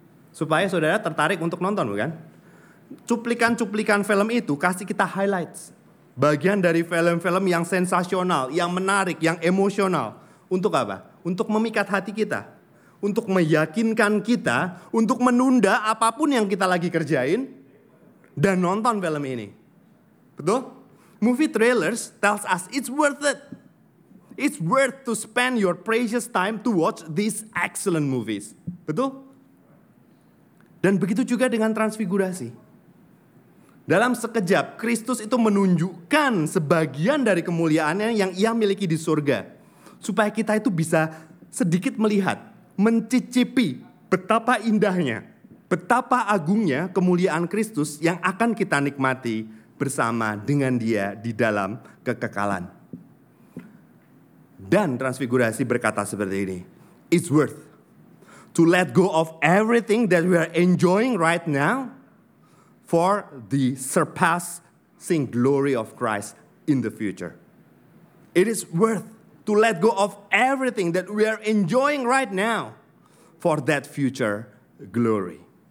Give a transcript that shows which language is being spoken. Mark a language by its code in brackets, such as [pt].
[id] Supaya saudara tertarik untuk nonton, bukan? Cuplikan-cuplikan film itu kasih kita highlights. Bagian dari film-film yang sensasional, yang menarik, yang emosional. Untuk apa? Untuk memikat hati kita. Untuk meyakinkan kita, untuk menunda apapun yang kita lagi kerjain, dan nonton film ini. Betul? [en] Movie trailers tells us it's worth it. It's worth to spend your precious time to watch these excellent movies. [id] Betul? Dan begitu juga dengan transfigurasi. Dalam sekejap, Kristus itu menunjukkan sebagian dari kemuliaannya yang ia miliki di surga. Supaya kita itu bisa sedikit melihat, mencicipi betapa indahnya, betapa agungnya kemuliaan Kristus yang akan kita nikmati bersama dengan dia di dalam kekekalan. Dan transfigurasi berkata seperti ini, [en] it's worth to let go of everything that we are enjoying right now for the surpassing glory of Christ in the future. It is worth to let go of everything that we are enjoying right now for that future glory.